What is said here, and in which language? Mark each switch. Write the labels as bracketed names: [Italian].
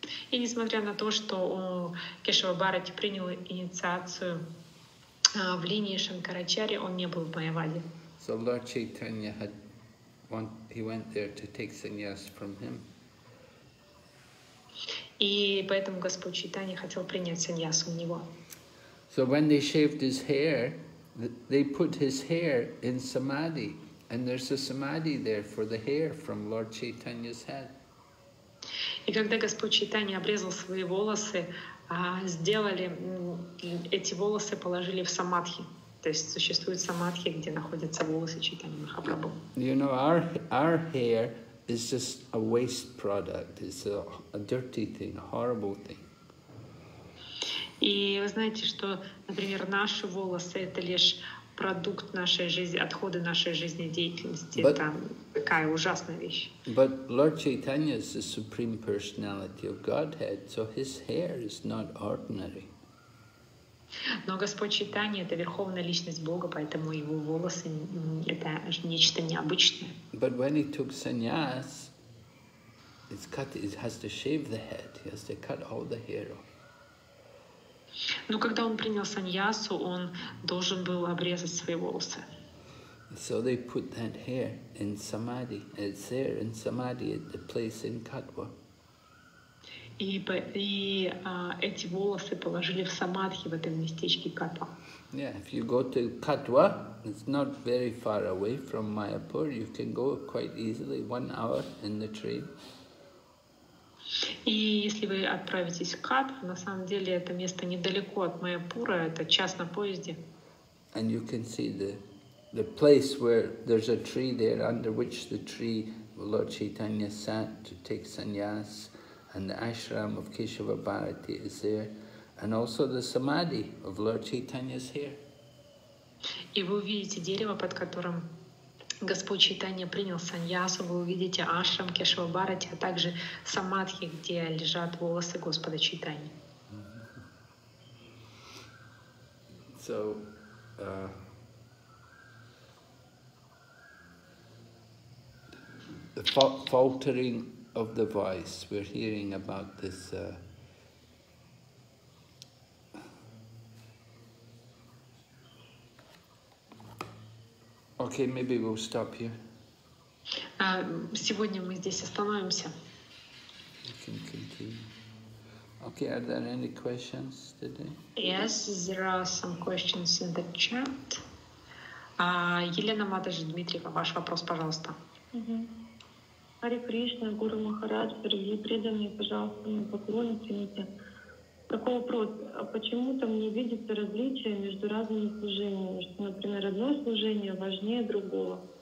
[Russian] И несмотря на то, что Кешава Бхарати принял инициацию в линии Шанкарачарьи, он не был майявади. [English] So Lord Chaitanya had he went there to take sannyas from him. [Russian] И поэтому Господь Чайтанья хотел принять саньясу у него. [English] So when they shaved his hair, they put his hair in samadhi, and there's a samadhi there for the hair from Lord Chaitanya's head. [Russian] И когда Господь Чайтанья обрезал свои волосы, сделали эти волосы, положили в самадхи. То есть существует самадхи, где находятся волосы Чайтанья Махапрабху. [English] You know, our hair is just a waste product. It's a dirty thing, a horrible thing. [Russian] И вы знаете, что, например, наши волосы — это лишь продукт нашей жизни, отходы нашей жизнедеятельности. But, это такая ужасная вещь. [English] But Lord Chaitanya is the Supreme Personality of Godhead, so his hair is not ordinary. [Russian] Но Господь Чайтанья — это Верховная Личность Бога, поэтому его волосы — это нечто необычное. [English] But when he took sannyas, he has to shave the head, he has to cut all the hair off. [Russian] Но когда он принял саньясу, он должен был обрезать свои волосы. [English] So they put that hair in samadhi. It's there in samadhi at the place in Katwa. [Russian] И эти волосы положили в самадхи в этом местечке Катва. [English] Yeah, if you go to Katwa, it's not very far away from Mayapur. You can go quite easily, 1 hour in the train. [Russian] И если вы отправитесь в Катву, на самом деле это место недалеко от Майяпура, это час на поезде. [English] And you can see the place where there's a tree there, under which the tree Lord Chaitanya sat to take sannyas. And the ashram of Keshava Bharati is there, and also the samadhi of Lord Chaitanya is here. [Russian] И вы увидите дерево, под которым Господь Чайтанья принял саньясу. Вы увидите ашрам Кешава Бхарати, а также самадхи, где лежат волосы Господа Чайтаньи. Mm-hmm. [English] So, the faltering of the voice, we're hearing about this okay, maybe we'll stop here. [Russian] Сегодня мы здесь остановимся. [English] We can continue. Okay, are there any questions today? Yes, there are some questions in the chat. [Russian] Елена Матыш Дмитриева, ваш вопрос, пожалуйста. Хари Кришна, Гуру Махарадж, дорогие преданные, пожалуйста, мне поклон, извините. Такой вопрос. А почему-то мне видится различие между разными служениями, что, например, одно служение важнее другого.